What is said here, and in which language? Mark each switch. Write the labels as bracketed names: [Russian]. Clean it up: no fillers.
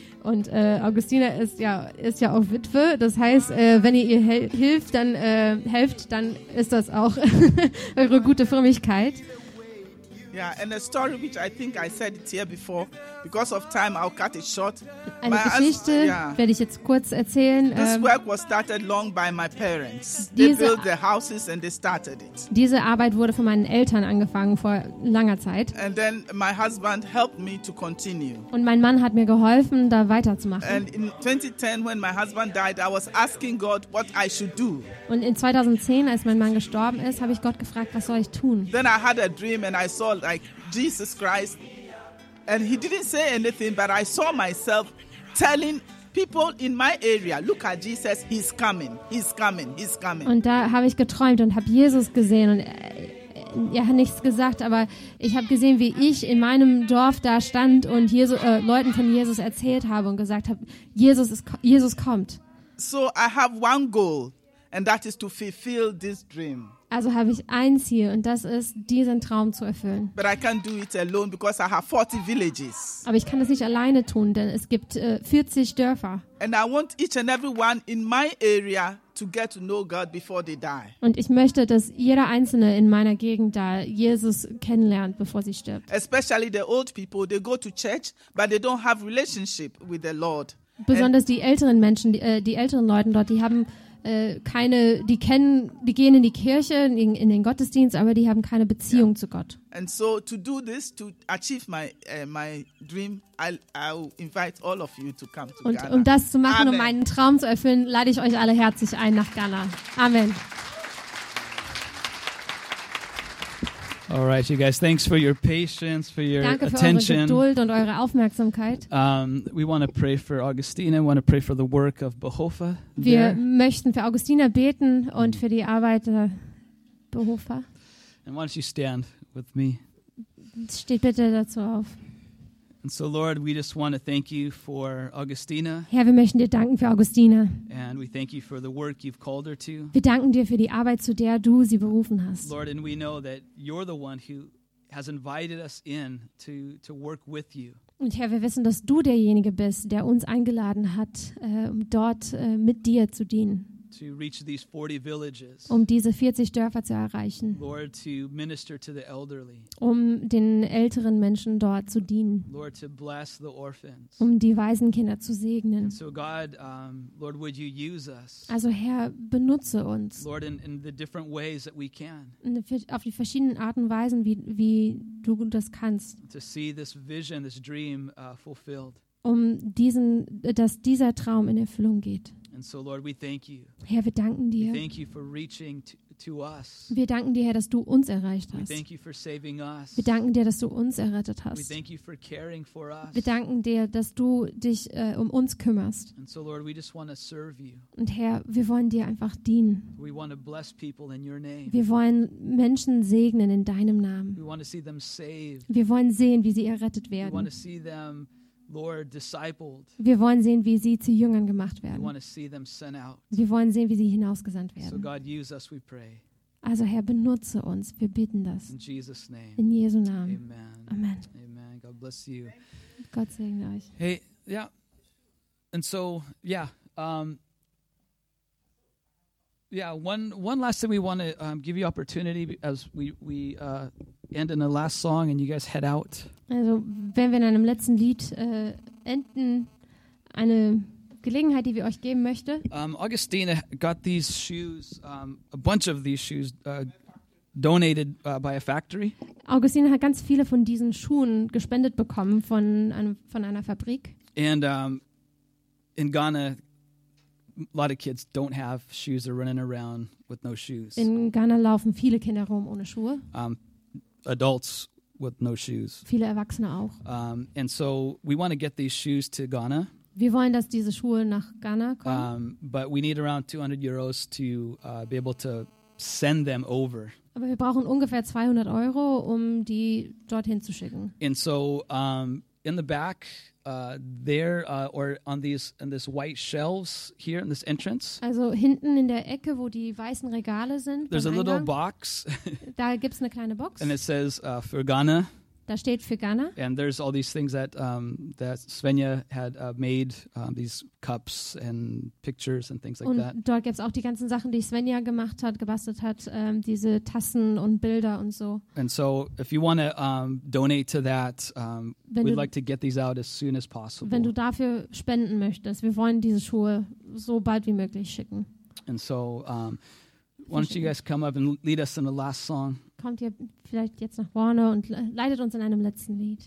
[German] Und Augustina ist ja auch Witwe, das heißt, wenn ihr hilft, dann helft, dann ist das auch eure gute Frömmigkeit. [English] Yeah, and a story which I think I said it here before. Because of time, I'll cut it short. [German] Eine Geschichte werde ich jetzt kurz erzählen. [English] This work was started long by my parents. They built the houses and they started it. [German] Diese Arbeit wurde von meinen Eltern angefangen vor langer Zeit. [English] And then my husband helped me to continue. [German] Und mein Mann hat mir geholfen, da weiterzumachen. [English] And in 2010, when my husband died, I was asking God what I should do. [German] Und in 2010, als mein Mann gestorben ist, habe ich Gott gefragt, was soll ich tun? [English] Then I had a dream and I saw like Jesus Christ, and he didn't say anything, but I saw myself telling people in my area, look at Jesus, he's coming, he's coming, he's coming. [German] Und da habe ich geträumt und habe Jesus gesehen, und er hat nichts gesagt, aber ich habe gesehen, wie ich in meinem Dorf da stand und Leuten von Jesus erzählt habe und gesagt habe, Jesus kommt. [English] So I have one goal, and that is to fulfill this dream. [German] Also habe ich ein Ziel, und das ist, diesen Traum zu erfüllen. [English] But I can't do it alone because I have 40 villages. [German] Aber ich kann das nicht alleine tun, denn es gibt 40 Dörfer. [English] And I want each and everyone in my area to get to know God before they die. [German] Und ich möchte, dass jeder einzelne in meiner Gegend da Jesus kennenlernt, bevor sie stirbt. [English] Especially the old people, they go to church, but they don't have relationship with the Lord. [German] Besonders die älteren Menschen, die älteren Leute dort, die haben keine, die kennen, die gehen in die Kirche, in den Gottesdienst, aber die haben keine Beziehung zu Gott. [English] And so to do this, to achieve my dream, I'll invite all of you to come to Ghana. [German] Und um das zu machen, um meinen Traum zu erfüllen, lade ich euch alle herzlich ein nach Ghana. [English] Amen. All right, you guys, thanks for your patience, for your attention. [German] Danke für eure Geduld und eure Aufmerksamkeit. [English] We want to pray for Augustina, we want to pray for the work of Behofa. [German] Wir möchten für Augustina beten und für die Arbeit Behofa. [English] And why don't you stand with me? [German] Steht bitte dazu auf. [English] And so, Lord, we just want to thank you for Augustina. [German] Herr, wir möchten dir danken für Augustina. [English] And we thank you for the work you've called her to. [German] Wir danken dir für die Arbeit, zu der du sie berufen hast. [English] Lord, and we know that you're the one who has invited us in to work with you. [German] Und Herr, wir wissen, dass du derjenige bist, der uns eingeladen hat, um dort mit dir zu dienen. [English] To reach these 40 villages. [German] Um diese 40 Dörfer zu erreichen. [English] Lord, to minister to the elderly. [German] Um den älteren Menschen dort zu dienen. [English] Lord, to bless the orphans. [German] Um die Waisenkinder zu segnen. [English] So God, Lord, would you use us? [German] Also Herr, benutze uns. [English] Lord, in the different ways that we can. [German] Auf die verschiedenen Arten und Weisen, wie du das kannst. [English] To see this vision, this dream, fulfilled. [German] Um diesen, dass dieser Traum in Erfüllung geht. [English] And so, Lord, we thank you. [German] Herr, wir danken dir. [English] We thank you for reaching to us. [German] Wir danken dir, Herr, dass du uns erreicht hast. [English] We thank you for saving us. [German] Wir danken dir, dass du uns errettet hast. [English] We thank you for caring for us. [German] Wir danken dir, dass du dich um uns kümmerst. [English] And so, Lord, we just want to serve you. [German] Und Herr, wir wollen dir einfach dienen. [English] We want to bless people in your name. [German] Wir wollen Menschen segnen in deinem Namen. [English] We want to see them saved. [German] Wir wollen sehen, wie sie errettet werden. [English] We want to see them, Lord, discipled. [German] Wir wollen sehen, wie sie zu Jüngern gemacht werden. [English] We want to see them sent out. [German] Wir wollen sehen, wie sie hinausgesandt werden. [English] So God, use us, we pray. [German] Also Herr, benutze uns. Wir bitten das. [English] In Jesus' name. [German] In Jesu Namen. [English] Amen. [German] Amen. [English] Amen. God bless you. [German] Gott segne euch. [English] Hey, ja. And so, yeah. Yeah, one last thing we want to give you opportunity as we end in the last song and you guys head out. [German] Also, wenn wir in einem letzten Lied enden, eine Gelegenheit, die wir euch geben möchte. [English] Augustine got these shoes, a bunch of these shoes donated by a factory. [German] Augustine hat ganz viele von diesen Schuhen gespendet bekommen von einer Fabrik. [English] And in Ghana, a lot of kids don't have shoes, they're running around with no shoes. [German] In Ghana laufen viele Kinder rum ohne Schuhe. [English] Adults with no shoes. [German] Viele Erwachsene auch. [English] And so we want to get these shoes to Ghana. [German] Wir wollen, dass diese Schuhe nach Ghana kommen. [English] But we need around 200 euros to be able to send them over. [German] Aber wir brauchen ungefähr 200 Euro, um die dorthin zu schicken. [English] And so in the back there or on these in this white shelves here in this entrance. [German] Also hinten in der Ecke, wo die weißen Regale sind. [English] There's a little box. [German] Da gibt's eine kleine Box. [English] And it says [German] für [English] Ghana. [German] Da steht für Ghana. [English] And there's all these things that that Svenja had made, these cups and pictures and things like [German] und [English] that. [German] Und dort gibt's auch die ganzen Sachen, die Svenja gemacht hat, gebastelt hat, diese Tassen und Bilder und so. [English] And so if you want to donate to that, we'd like to get these out as soon as possible. [German] Wenn du dafür spenden möchtest, wir wollen diese Schuhe so bald wie möglich schicken. [English] And so why don't you guys come up and lead us in the last song? [German] Kommt ihr vielleicht jetzt nach vorne und leitet uns in einem letzten Lied.